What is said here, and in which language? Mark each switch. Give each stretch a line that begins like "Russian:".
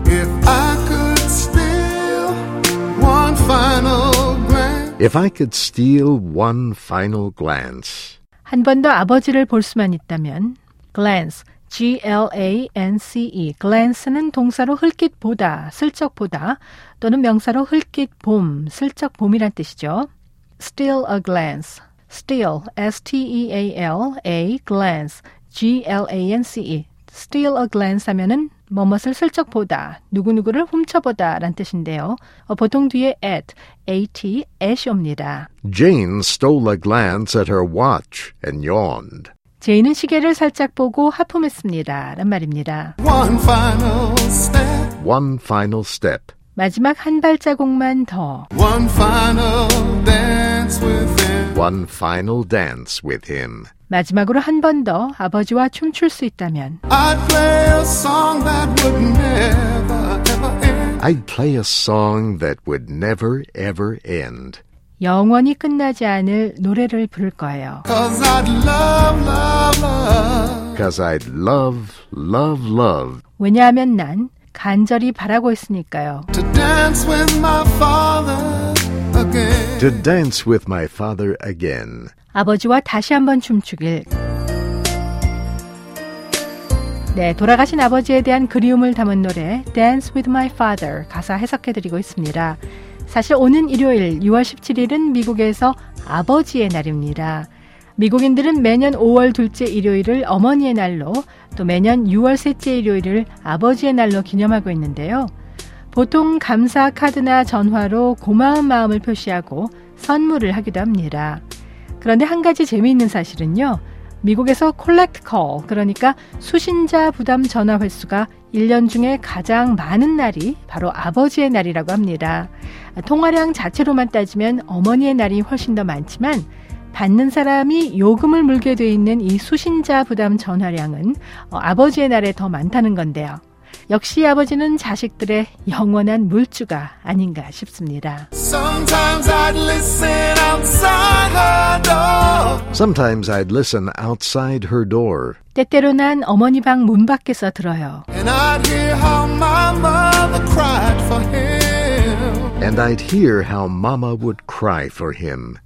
English: If I could steal one final glance. If I could steal one final glance.
Korean: 한 번 더 아버지를 볼 수만 있다면 glance.
English: G-L-A-N-C-E.
Korean: Glance는 동사로 흘낏 보다, 슬쩍 보다, 또는 명사로 흘낏 봄, 슬쩍 봄이란 뜻이죠.
English: Steal a glance. Steal, S-T-E-A-L, A, glance. G-L-A-N-C-E. Steal a glance
Korean: 하면은 뭐뭇을 슬쩍 보다, 누구누구를 훔쳐보다 란 뜻인데요. 보통 뒤에 at, A-T, at이 옵니다.
English: Jane stole a glance at her watch and yawned.
Korean: 제인은 시계를 살짝 보고 하품했습니다. 라는 말입니다.
English: One final step. One final step.
Korean: 마지막 한 발자국만 더.
English: One final dance with him. One final dance with him.
Korean: 마지막으로 한 번 더 아버지와 춤출 수 있다면.
English: I'd play a song that would never ever end. I'd play a song that would never ever end.
Korean: 영원히 끝나지 않을 노래를 부를 거예요.
English: Cause I'd love, love, love. Cause I'd love, love, love.
Korean: 왜냐하면 난 간절히 바라고 있으니까요.
English: To dance with my father again. To dance with my father again.
Korean: 아버지와 다시 한번 춤추길. 네, 돌아가신 아버지에 대한 그리움을 담은 노래 Dance with my father 가사 해석해드리고 있습니다. 사실 오는 일요일 6월 17일은 미국에서 아버지의 날입니다. 미국인들은 매년 5월 둘째 일요일을 어머니의 날로 또 매년 6월 셋째 일요일을 아버지의 날로 기념하고 있는데요. 보통 감사 카드나 전화로 고마운 마음을 표시하고 선물을 하기도 합니다. 그런데 한 가지 재미있는 사실은요. 미국에서 콜렉트 콜, 그러니까 수신자 부담 전화 횟수가 1년 중에 가장 많은 날이 바로 아버지의 날이라고 합니다. 통화량 자체로만 따지면 어머니의 날이 훨씬 더 많지만 받는 사람이 요금을 물게 돼 있는 이 수신자 부담 전화량은 아버지의 날에 더 많다는 건데요. 역시 아버지는 자식들의 영원한 물주가 아닌가 싶습니다.
English: Sometimes I'd listen outside her door. Sometimes I'd listen outside her door.
Korean: 때때로 난 어머니 방 문 밖에서 들어요.
English: And I'd hear how mama cried for him. And I'd hear how mama would cry for him.